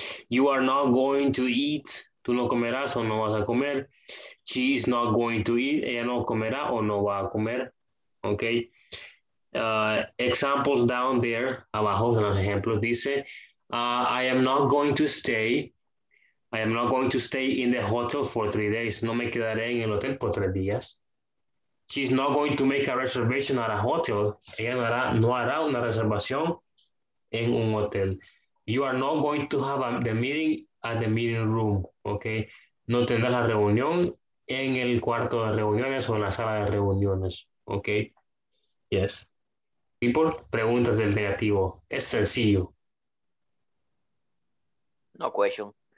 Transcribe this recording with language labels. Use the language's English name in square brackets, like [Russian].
[English] You are not going to eat, [Spanish] tú no comerás o no vas a comer. [English] She is not going to eat, [Spanish] ella no comerá o no va a comer. Okay. [English] Examples down there, [Spanish] abajo, en los ejemplos, dice, [English] I am not going to stay. I am not going to stay in the hotel for 3 days. [Spanish] No me quedaré en el hotel por 3 días. [English] She's not going to make a reservation at a hotel. [Spanish] Ella no hará una reservación en un hotel. [English] You are not going to have the meeting at the meeting room. Okay. [Spanish] No tendrá la reunión en el cuarto de reuniones o en la sala de reuniones. Okay. Yes. People, preguntas del negativo. Es sencillo. [English] No question.